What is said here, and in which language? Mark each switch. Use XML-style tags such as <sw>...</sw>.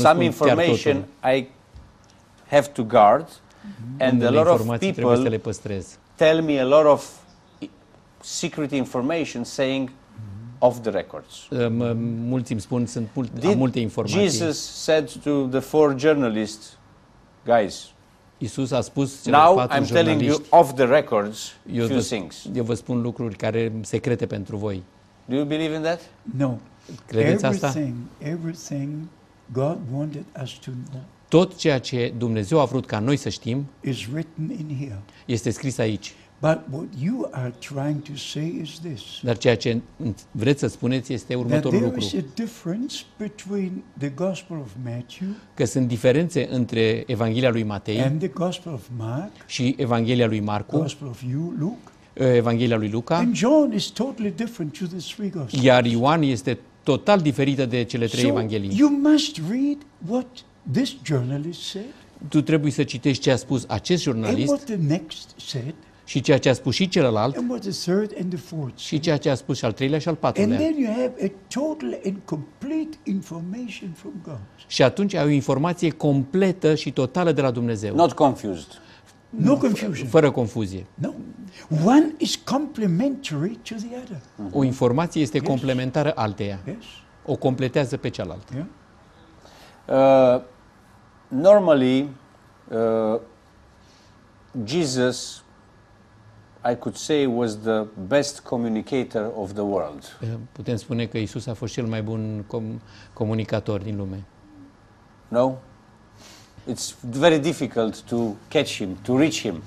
<ro>spun chiar totul.</ro> <en>Some information I have to guard, and a lot of people tell me a lot of secret information, saying off the records.</en> <ro>Mulți îmi spun, sunt multe informații.</ro> <en>Jesus said to the four journalists, guys,</en> <ro>Iisus a spus celor</ro> <en>now</en> <ro>patru</ro> <en>I'm telling you off the records few things.</en> <ro>Eu vă spun lucruri care secrete pentru voi.</ro> <en>Do you believe in that? No.</en> <ro>Credeți</ro> <en>everything,</en> <ro>asta?</ro> <en>Everything God wanted us to know.</en> <ro>Tot ceea ce Dumnezeu a vrut ca noi să știm</ro> <en>is written in here.</en> <ro>Este scris aici.</ro> <en>But what you are trying to say is this.</en> <ro>Dar ceea ce vreți să spuneți este următorul lucru.</ro> <en>There is a difference between the Gospel of Matthew.</en> <ro>Că sunt diferențe între Evanghelia lui Matei</ro> <en>and the Gospel of Mark.</en> <ro>Și Evanghelia lui Marcu.</ro> <en>Gospel of you, Luke.</en> <ro>Evanghelia lui Luca.</ro> <en>And John is totally different to the three Gospels.</en> <ro>Iar Ioan este total diferită de cele trei evanghelii.</ro> <en>You must read what this journalist said.</en> <ro>Tu trebuie să citești ce a spus acest jurnalist.</ro> <en>And what the next said.</en> <ro>Și ceea ce a spus și celălalt.</ro> <en>And what the third and the fourth.</en> <ro>Și ceea ce a spus și al treilea și al patrulea.</ro> <en>And then you have a total and complete information from God.</en> <ro>Și atunci ai o informație completă și totală de la Dumnezeu.</ro> <en>Not confused. No confusion.</en> <ro>Fără confuzie.</ro> <en>No. One is complementary to the other.</en> <ro>O informație este complementară alteia.</ro> <en>Yes.</en> <ro>O completează pe cealaltă.</ro> <en>Yeah. Normally Jesus I could say was the best communicator of the world.</en> <ro>Putem spune că Iisus a fost cel mai bun comunicator din lume.</ro> <en>No. It's very difficult to catch him, to reach him.</en>